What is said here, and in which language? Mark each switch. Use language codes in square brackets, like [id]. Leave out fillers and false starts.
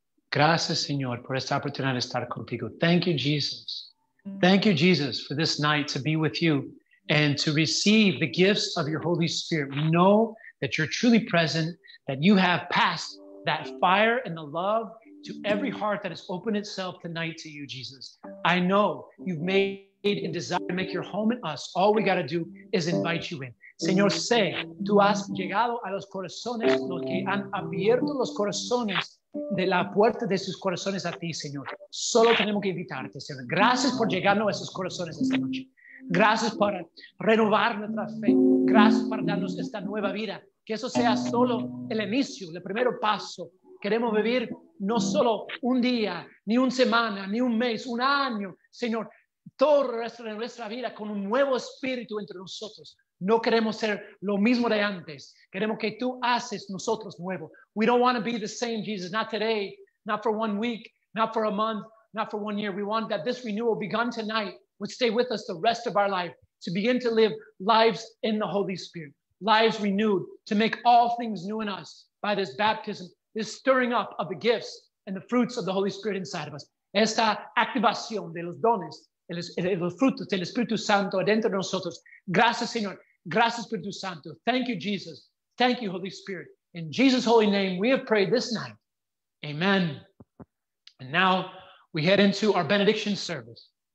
[es] Gracias, Señor, por esta oportunidad de estar contigo. [en] Thank you, Jesus. Thank you, Jesus, for this night to be with you and to receive the gifts of your Holy Spirit. We know that you're truly present, that you have passed that fire and the love to every heart that has opened itself tonight to you, Jesus. I know you've made and desired to make your home in us. All we got to do is invite you in. [es] Señor, sé, tú has llegado a los corazones, los que han abierto los corazones de la puerta de sus corazones a ti, Señor. Solo tenemos que invitarte, Señor. Gracias por llegarnos a esos corazones esta noche. Gracias por renovar nuestra fe. Gracias por darnos esta nueva vida. Que eso sea solo el inicio, el primer paso. Queremos vivir no solo un día, ni una semana, ni un mes, un año, Señor. Todo el resto de nuestra vida con un nuevo espíritu entre nosotros. No queremos ser lo mismo de antes. Queremos que tú haces nosotros nuevo. [en] We don't want to be the same, Jesus. Not today, not for 1 week, not for a month, not for 1 year. We want that this renewal begun tonight would stay with us the rest of our life, to begin to live lives in the Holy Spirit, lives renewed, to make all things new in us by this baptism, this stirring up of the gifts and the fruits of the Holy Spirit inside of us. [es] Esta activación de los dones, los frutos del Espíritu Santo dentro de nosotros. Gracias, Señor. Gracias, Espíritu Santo. [en] Thank you, Jesus. Thank you, Holy Spirit. In Jesus' holy name, we have prayed this night. Amen. And now we head into our benediction service.